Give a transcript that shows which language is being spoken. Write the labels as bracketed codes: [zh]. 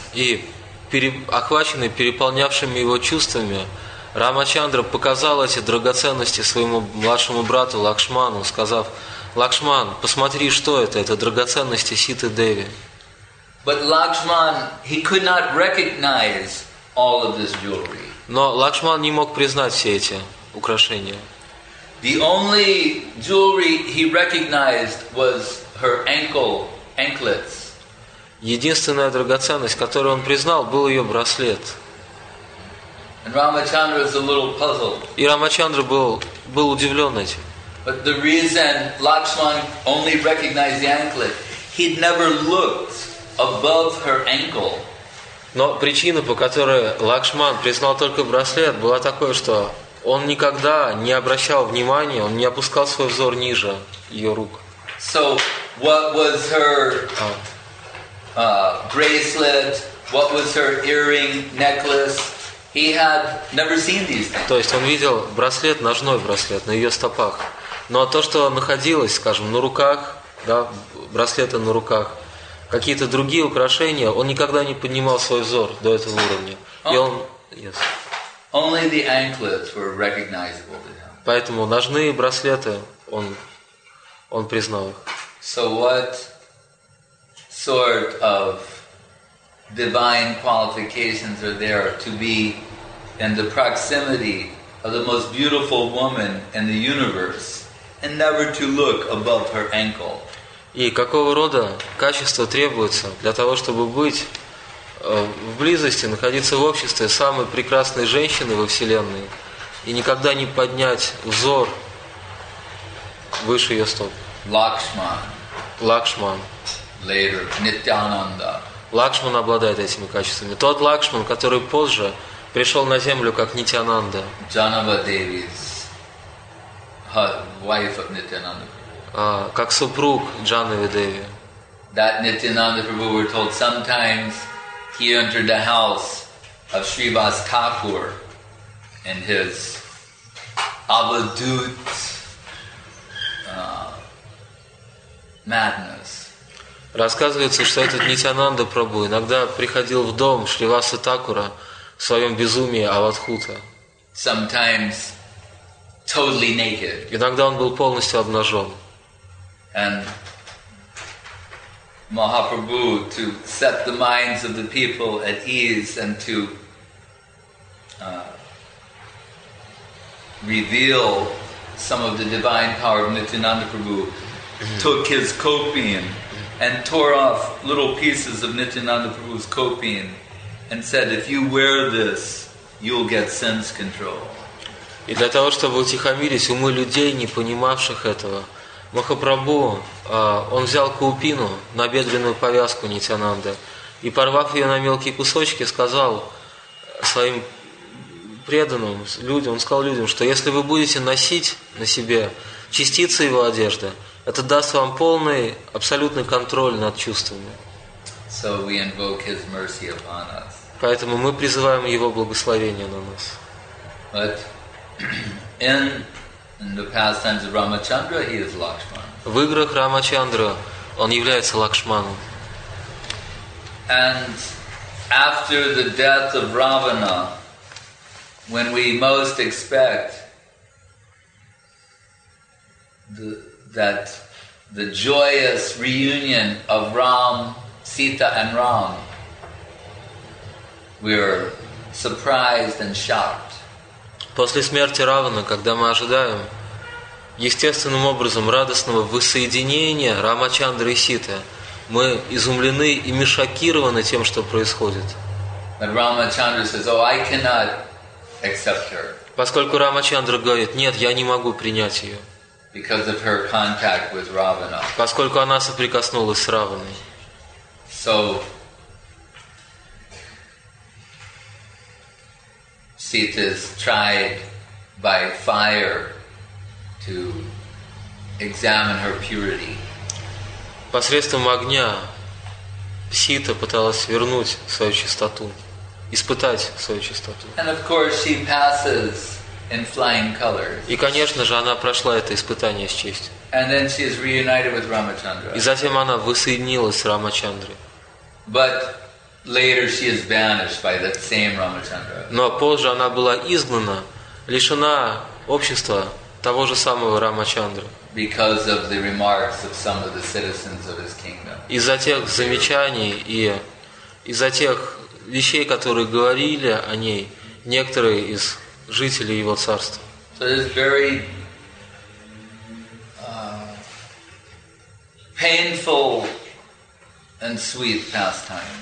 [ru] И охваченный переполнявшими его чувствами, Рамачандра показал эти драгоценности своему младшему брату Лакшману, сказав: Лакшман, посмотри, что это драгоценности Ситы Деви. [en] But Lakshman, he could not recognize all of this jewelry. [ru] Но Лакшман не мог признать все эти украшения. [en] The only jewelry he recognized was her anklets. [ru] Единственная драгоценность, которую он признал, был ее браслет. [en] And Ramachandra was a little puzzled. [ru] И Рамачандра был удивлен этим. [en] But the reason Lakshman only recognized the anklet, he'd never looked above her ankle. [ru] Но причина, по которой Лакшман признал только браслет, была такой, что он никогда не обращал внимания, он не опускал свой взор ниже ее рук. [en] So what was her bracelet, what was her earring, necklace? He had never seen these things. [ru] То есть он видел браслет, ножной браслет на ее стопах. Но то, что находилось, скажем, на руках, да, браслеты на руках, какие-то другие украшения, он никогда не поднимал свой взор до этого уровня. И он... [en] Yes. Only the anklets were recognizable to him. [ru] Поэтому ножные браслеты, он признал их. [en] So what sort of divine qualifications are there to be in the proximity of the most beautiful woman in the universe? And never to look above her ankle. [ru] И какого рода качество требуется для того, чтобы быть в близости, находиться в обществе самой прекрасной женщины во Вселенной и никогда не поднять взор выше ее стоп? Лакшман. [en] Later, [ru] Нитьянанда. Лакшман обладает этими качествами. Тот Лакшман, который позже пришел на землю как Нитьянанда. [en] Джанава Девис. Wife of Nityananda Prabhu. [ru] Как супруг Джанави Деви. [en] That Nityananda Prabhu, we're told, sometimes he entered the house of Srivas Thakur in his avadhut madness. [ru] Рассказывается, что этот Нитьянанда Прабху иногда приходил в дом Шриваса Такура в своем безумии Авадхута. [en] Sometimes totally naked. [ru] Иногда он был полностью обнажен. [en] And Mahaprabhu, to set the minds of the people at ease and to reveal some of the divine power of Nityananda Prabhu, took his copian and tore off little pieces of Nityananda Prabhu's copian and said, if you wear this, you'll get sense control. [ru] И для того, чтобы утихомирить умы людей, не понимавших этого, Махапрабху, он взял каупину, набедренную повязку Нитянанды, и, порвав ее на мелкие кусочки, сказал своим преданным людям, он сказал людям, что если вы будете носить на себе частицы его одежды, это даст вам полный, абсолютный контроль над чувствами. [en] So we invoke his mercy upon us. [ru] Поэтому мы призываем его благословение на нас. [en] But in the pastimes of Ramachandra, he is Lakshman. [ru] В играх Рамачандра он является Лакшманом. [en] And after the death of Ravana, when we most expect the joyous reunion of Ram, Sita, and Ram, we are surprised and shocked. [ru] После смерти Равана, когда мы ожидаем естественным образом радостного воссоединения Рамачандры и Ситы, мы изумлены и шокированы тем, что происходит. [en] But Ramachandra says, "Oh, I cannot accept her." [ru] Поскольку Рамачандра говорит, нет, я не могу принять ее. [en] Because of her contact with Ravana. [ru] Поскольку она соприкоснулась с Раваной. [en] So Sita is tried by fire to examine her purity. [ru] Посредством огня Сита пыталась вернуть свою чистоту, испытать свою чистоту. [en] And of course she passes in flying colors. [ru] И, конечно же, она прошла это испытание с честью. [en] And then she is reunited with Ramachandra. [ru] И затем она воссоединилась с Рамачандрой. [en] But later she is banished by that same Ramachandra. [ru] Но позже она была изгнана, лишена общества того же самого Рамачандры. [en] Because of the remarks of some of the citizens of his kingdom. [ru] Из-за тех замечаний и из-за тех вещей, которые говорили о ней некоторые из жителей его царства. [en] So it's very painful and sweet pastime.